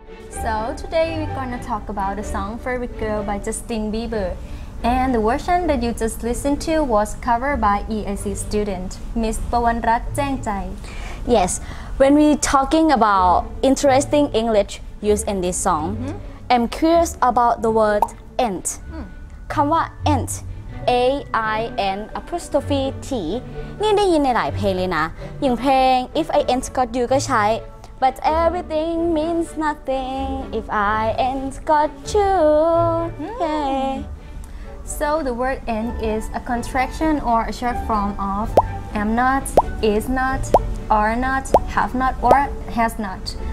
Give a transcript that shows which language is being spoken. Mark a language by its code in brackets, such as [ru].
[en] So today we're gonna talk about the song Favorite Girl by Justin Bieber. And the version that you just listened to was covered by EIC student, Miss Pawanrat Jengjai. Yes, when we're talking about interesting English used in this song, mm-hmm. I'm curious about the word ant. [th] คำว่า ant, A-I-N apostrophe T, นี่ได้ยินในหลายเพลงเลยนะอย่างเพลง If I Ain't Got You ก็ใช้ [en] But everything means nothing if I ain't got you. Yeah. So the word ain't is a contraction or a short form of am not, is not, are not, have not, or has not.